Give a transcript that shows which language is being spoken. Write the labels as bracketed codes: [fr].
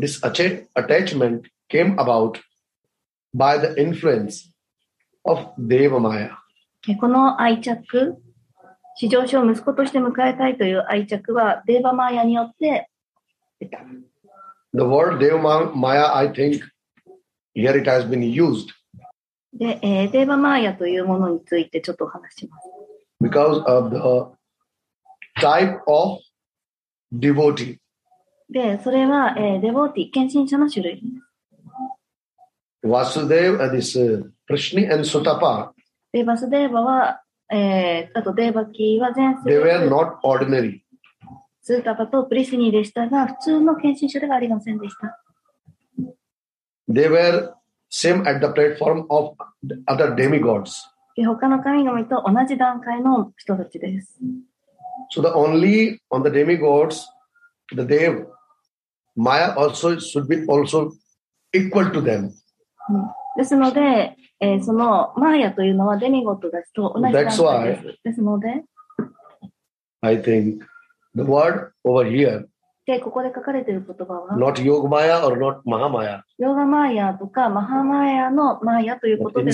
[en] This attachment came about by the influence of Devamaya. [ja] この愛着、至上主を息子として迎えたいという愛着はデーバマヤによって。 [en] The word Devamaya, I think, here it has been used. [ja] で、Devamaya というものについてちょっとお話します。 [en] Because of the type of devotee. [ja] で、それは、devotee、献身者の種類。 [en] Vasudeva, this Prishni and Sutapa. [ja] で、Vasudeva は、あと Devaki は全世。 [en] They were not ordinary. [ja] スータパとプリシニーでしたが、普通の献身者ではありませんでした。 [en] They were same at the platform of other demigods. [ja] 他の神々と同じ段階の人たちです。 [en] So the only on the demigods, the dev, Maya also should be also equal to them. [ja] ですので、そのマーヤというのはデミゴッドたちと同じ段階です。 [en] That's why, [ja] ですので、 [en] I think,The word over here. [ja] で、ここで書かれている言葉は [en] Not Yoga Maya or not Mahamaya. [ja] Yoga Maya とか Mahamaya のマヤということではない。